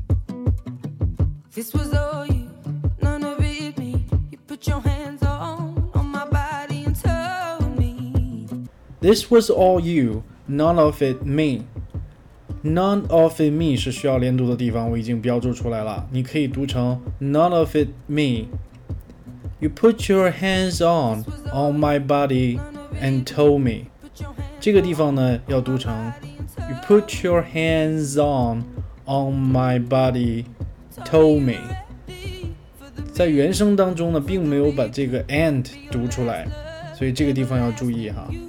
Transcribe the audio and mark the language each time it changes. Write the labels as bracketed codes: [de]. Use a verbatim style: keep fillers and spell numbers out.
[en] This was all you, none of it me. You put your hands on, on my body and told me. This was all you, none of it me. None of it me [zh] 是需要连读的地方，我已经标注出来了，你可以读成 [en] None of it me. You put your hands on, on my body and told me. [zh] 这个地方呢要读成 [en] You put your hands on, on my body. Told me， [zh] 在原声当中呢，并没有把这个 and 读出来，所以这个地方要注意哈。